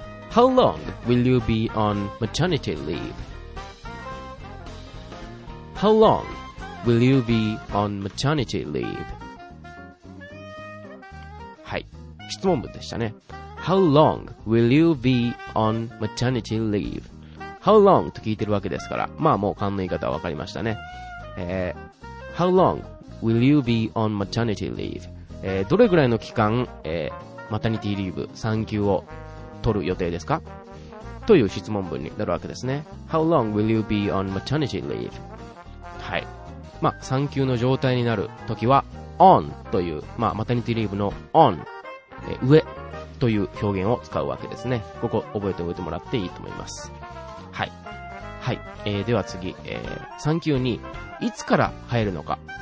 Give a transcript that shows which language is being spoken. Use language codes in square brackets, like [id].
[en] How long will you be on maternity leave? How long will you be on maternity leave? [ja] はい、質問文でしたね。 [en] How long will you be on maternity leave? How long [ja] と聞いてるわけですから、まあもう勘の言い方はわかりましたね。 [en] How long will you be on maternity leave? [ja] どれぐらいの期間、マタニティリーブ、産休を取る予定ですか? という質問文になるわけですね。 [en] How long will you be on maternity leave? [ja] はい。まあ、産休の状態になるときは、on という、まあ、マタニティリーブの on、上という表現を使うわけですね。ここ覚えておいてもらっていいと思います。はい。はい。では次、産休にいつから入るのか。